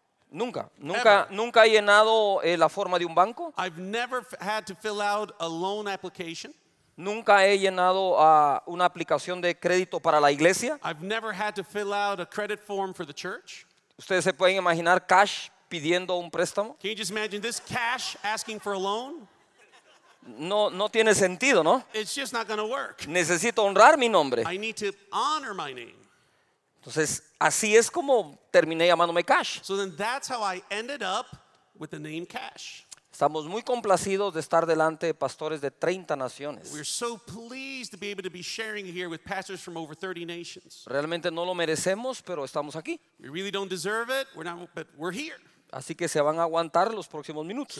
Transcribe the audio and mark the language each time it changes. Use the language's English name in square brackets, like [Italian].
[Spanish] Nunca he llenado la forma de un banco. [English] I've never had to fill out a loan application. [Spanish] Nunca he llenado una aplicación de crédito para la iglesia. [English] I've never had to fill out a credit form for the church. [Spanish] ¿Ustedes se pueden imaginar Cash pidiendo un préstamo? [English] Can you just imagine this Cash asking for a loan? [Spanish] No tiene sentido, ¿no? [English] It's just not going to work. [Spanish] Necesito honrar mi nombre. [English] I need to honor my name. [Spanish] Entonces, así es como terminé llamándome Cash. [English] So then that's how I ended up with the name Cash. [Spanish] Estamos muy complacidos de estar delante de pastores de 30 naciones. [English] We're so pleased to be able to be sharing here with pastors from over 30 nations. [Spanish] Realmente no lo merecemos, pero estamos aquí. [English] We really don't deserve it, but we're here. [Spanish] Así que se van a aguantar los próximos minutos.